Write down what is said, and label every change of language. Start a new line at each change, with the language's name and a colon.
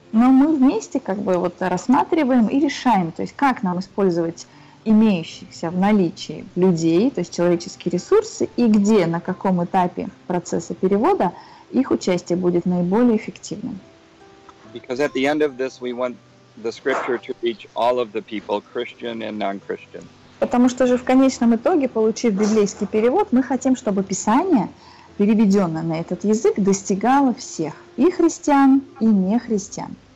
Russian: Но мы вместе как бы вот рассматриваем и решаем, то есть как нам использовать имеющихся в наличии людей, то есть человеческие ресурсы, и где, на каком этапе процесса перевода их участие будет наиболее эффективным.
English: Because at the end of this we want the scripture to reach all of the people, Christian and non-Christian.
Russian: Потому что же в конечном итоге, получив библейский перевод, мы хотим, чтобы Писание, переведенное на этот язык, достигало всех, и христиан, и нехристиан.